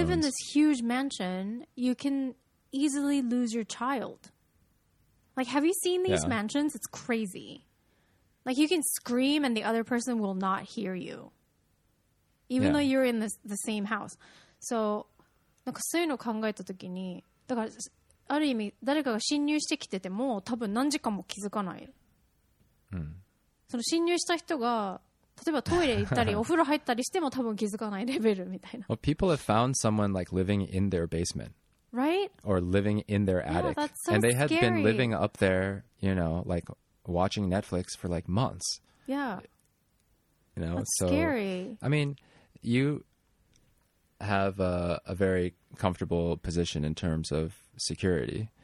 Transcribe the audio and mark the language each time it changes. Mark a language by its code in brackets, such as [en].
[en] You live in this huge mansion, you can easily lose your child. Like, have you seen these mansions? It's crazy. Like, you can scream and the other person will not hear you, even though you're in the same house. [ja] So, なんかそういうのを考えたときに、だからある意味誰かが侵入してきてても多分何時間も気づかない。その侵入した人が例えばトイレ行ったりお風呂入ったりしても多分気づかないレベルみたいな。 [en] Well, people have found someone like living in their basement, right? Or living in their attic, yeah, that's so and they scary. Had been living up there, you know, like watching Netflix for like months. Yeah. You know, that's so scary. I mean, you have a very comfortable position in terms of security.